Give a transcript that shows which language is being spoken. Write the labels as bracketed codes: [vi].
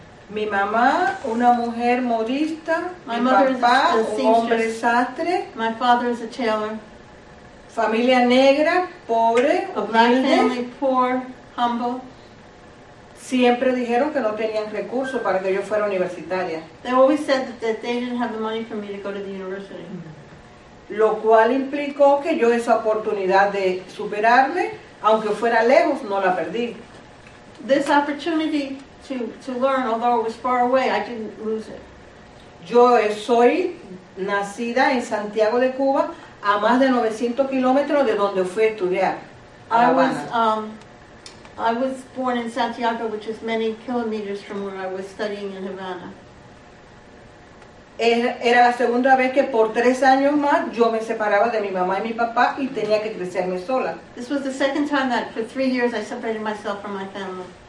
[es] Mi mamá, una mujer modista, mi papá, un hombre sastre. [en] My father is a tailor. [es] Familia negra, pobre, humilde. [en] A black family, poor, humble. [es] Siempre dijeron que no tenían recursos para que yo fuera universitaria. [en] They always said that they didn't have the money for me to go to the university. [es] Lo cual implicó que yo esa oportunidad de superarme, aunque fuera lejos, no la perdí. [en] This opportunity to learn, although it was far away, I didn't lose it. [es] Yo soy nacida en Santiago de Cuba, a más de 900 kilómetros de donde fui a estudiar. [en] I was born in Santiago, which is many kilometers from where I was studying in Havana. [es] Era la segunda vez que por tres años más yo me separaba de mi mamá y mi papá y tenía que crecerme sola. [en] This was the second time that for 3 years I separated myself from my family.